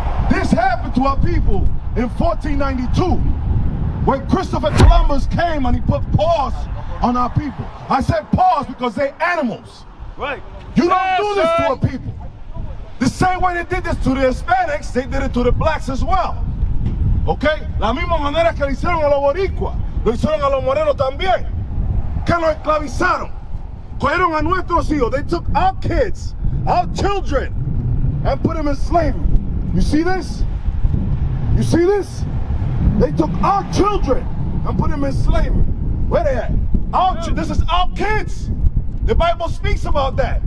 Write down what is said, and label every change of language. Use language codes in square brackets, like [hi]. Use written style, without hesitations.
[en] This happened to our people in 1492 when Christopher Columbus came and he put paws on our people. I said paws because they're animals. Right. You don't do this to our people. The same way they did this to the Hispanics, they did it to the blacks as well. Okay? [es] La misma manera que le hicieron a los boricuas, lo hicieron a los morenos también. Que nos esclavizaron. Cogieron a nuestros hijos. [en] They took our kids, our children, and put them in slavery. You see this? You see this? They took our children and put them in slavery. Where they at? Our this is our kids. The Bible speaks about that.